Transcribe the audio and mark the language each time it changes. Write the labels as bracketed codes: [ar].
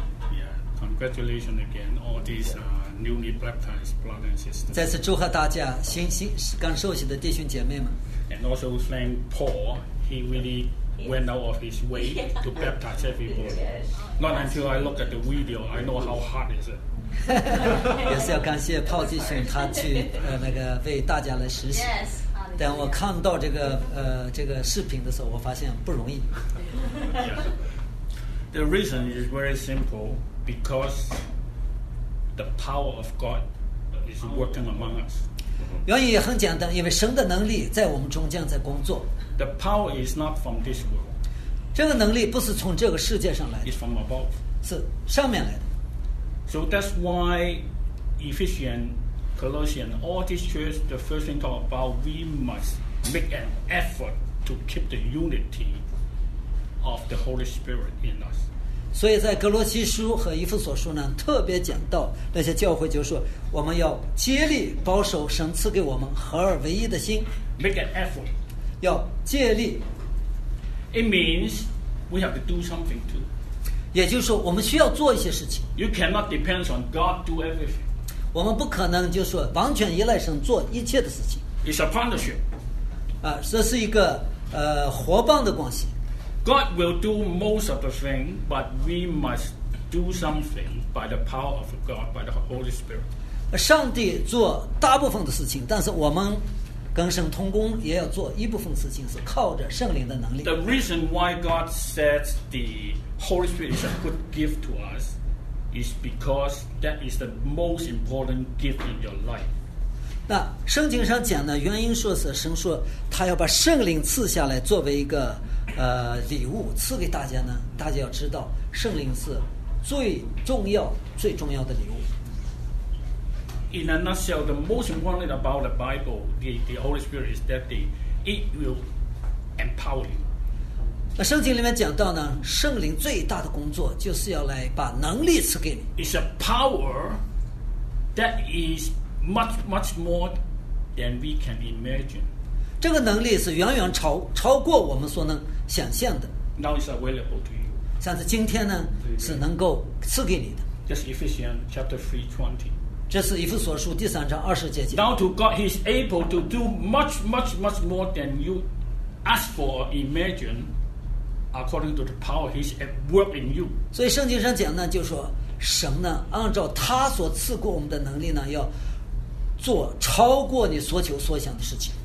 [en] Yeah, congratulations again, all these newly baptized brother and sister. [zh] 再次祝贺大家，新刚受洗的弟兄姐妹们。 [en] And also thank Paul. He really went out of his way to baptize everybody. Not until I look at the video, I know how hard is it. [zh] 也是要感谢Paul弟兄，他去那个为大家来实习。但我看到这个视频的时候，我发现不容易。 [en] The reason is very simple, because the power of God is working among us. [zh] 原因也很简单，因为神的能力在我们中间在工作。 [en] The power is not from this world. [zh] 这个能力不是从这个世界上来的。 [en] It's from above. [zh] 是上面来的。 [en] So that's why Ephesians, Colossians, all these churches, the first thing talk about, we must make an effort to keep the unity of the Holy Spirit in us. [zh] 所以在哥罗西书和以弗所书呢，特别讲到那些教会，就是说我们要竭力保守神赐给我们合而为一的心。 [en] Make an effort. [zh] 要竭力。 [en] It means we have to do something too. [zh] 也就是说我们需要做一些事情。 [en] You cannot depend on God to everything. [zh] 我们不可能就是说完全依赖神做一切的事情。 [en] It's a partnership. [zh] 这是一个伙伴的关系。 [en] God will do most of the thing, but we must do something by the power of God, by the Holy Spirit. [zh] 上帝做大部分的事情，但是我们跟神同工也要做一部分事情，是靠着圣灵的能力。 [en] The reason why God sets theHoly Spirit is a good gift to us, is because that is the most important gift in your life. [zh] 那圣经上讲的原因说是神说他要把圣灵赐下来作为一个礼物赐给大家呢，大家要知道圣灵是最重要的礼物。 [en] In a nutshell, the most important thing about the Bible, the Holy Spirit is that it will empower you. [zh] 那圣经里面讲到呢，圣灵最大的工作就是要来把能力赐给你。 [en] It's a power that is much much more than we can imagine. [zh] 这个能力是远远超过我们所能想象的。 [en] Now it's available to you. [zh] 像是今天呢，是能够赐给你的。 [en] This is Ephesians chapter 3:20. [zh] 这是以弗所书第三章二十节讲。 [en] Now to God, He's able to do much much much more than you ask for or imagine. According to the power He's at work in you. [zh] 所以圣经上讲呢，就是说神呢，按照他所赐过我们的能力呢，要做超过你所求所想的事情。